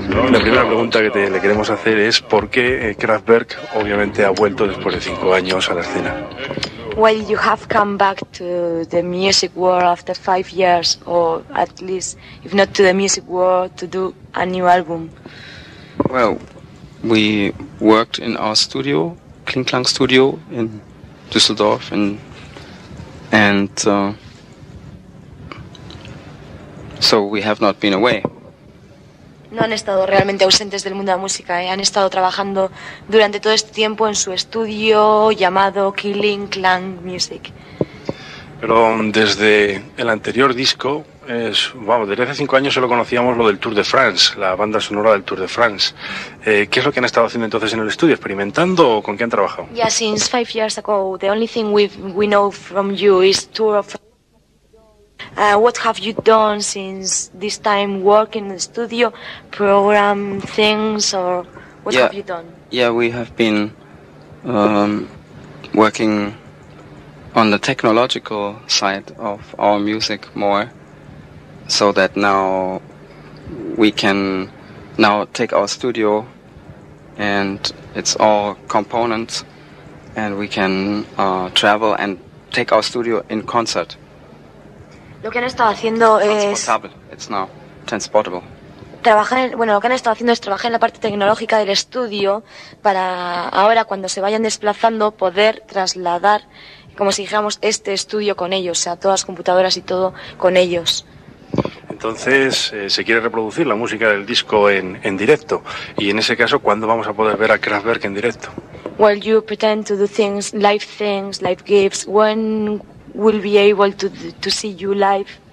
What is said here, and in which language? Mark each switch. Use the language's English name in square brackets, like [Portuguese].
[Spanish] La primera pregunta que le queremos hacer es por qué Kraftwerk obviamente ha vuelto después de 5 años a la escena. [English] Well, you have come back to the music world after 5 years, or at least, if not to the music world, to do a new album. Well, we worked in our studio, Kling Klang Studio, in Düsseldorf, and so we have not been away. [Spanish] No han estado realmente ausentes del mundo de la música, ¿eh? Han estado trabajando durante todo este tiempo en su estudio llamado Killing Clan Music. Pero desde el anterior disco, desde hace 5 años solo conocíamos lo del Tour de France, la banda sonora del Tour de France. ¿Qué es lo que han estado haciendo entonces en el estudio? ¿Experimentando o con qué han trabajado? [English] Yeah, since 5 years ago, the only thing we know from you is Tour of France. What have you done since this time, working in the studio, program things, or what have you done? Yeah, we have been working on the technological side of our music more, so that now we can now take our studio and it's all components, and we can travel and take our studio in concert. [Spanish] Lo que han estado haciendo es [English] It's now transportable. [Spanish] Lo que han estado haciendo es trabajar en la parte tecnológica del estudio para ahora, cuando se vayan desplazando, poder trasladar, como si dijéramos, este estudio con ellos, o sea, todas las computadoras y todo con ellos. Entonces, se quiere reproducir la música del disco en directo. Y en ese caso, ¿cuándo vamos a poder ver a Kraftwerk en directo? [English] Well, you pretend to do things, live gigs, when we'll be able to see you live.